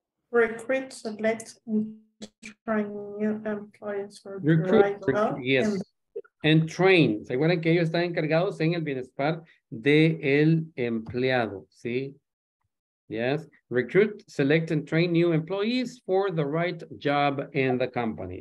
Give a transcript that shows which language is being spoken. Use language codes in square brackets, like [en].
[en] Recruit, select, and train new employees for the right job. Yes. And train. [es] ¿Se acuerdan que ellos están encargados en el bienestar del empleado? [en] Sí. Yes. Recruit, select, and train new employees for the right job in the company.